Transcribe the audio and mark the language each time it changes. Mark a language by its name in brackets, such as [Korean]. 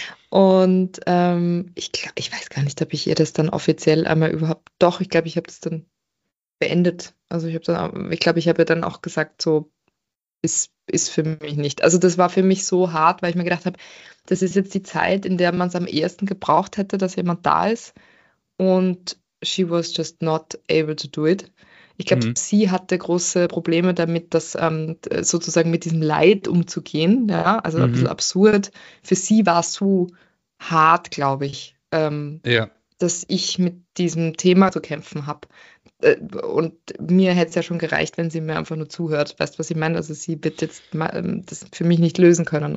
[German] Und ich weiß gar nicht, ob ich ihr das dann offiziell einmal überhaupt. Doch, ich glaube, ich habe das dann beendet. Also ich glaube, ich habe ihr dann auch gesagt, so ist für mich nicht. Also das war für mich so hart, weil ich mir gedacht habe, das ist jetzt die Zeit, in der man es am ehesten gebraucht hätte, dass jemand da ist. [English] Und she was just not able to do it. [German] Ich glaube, sie hatte große Probleme damit, sozusagen mit diesem Leid umzugehen. Ja, also ein bisschen absurd. Für sie war es so hart, glaube ich, dass ich mit diesem Thema zu kämpfen habe. Und mir hätte es ja schon gereicht, wenn sie mir einfach nur zuhört. Weißt du, was ich meine? Also sie wird jetzt das für mich nicht lösen können.